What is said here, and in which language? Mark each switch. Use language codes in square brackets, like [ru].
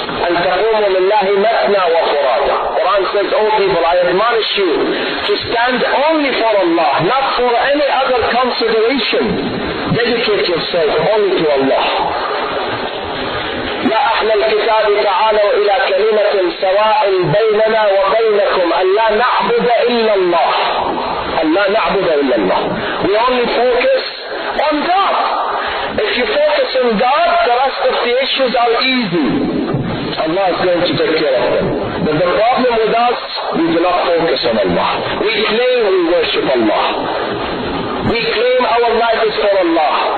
[ar] أن تقوموا لله مثنى وفرادى. [en] Quran says, oh people, I admonish you to stand only for Allah, not for any other consideration. Dedicate yourself only to Allah. [ar] يا أهل الكتاب تعالوا إلى كلمة سواء بيننا وبينكم ألا نعبد إلا الله. ألا نعبد إلا الله. [en] We only focus on God. If you focus on God, the rest of the issues are easy. Allah is going to take care of them. But the problem with us, we do not focus on Allah. We claim we worship Allah. We claim our life is for Allah.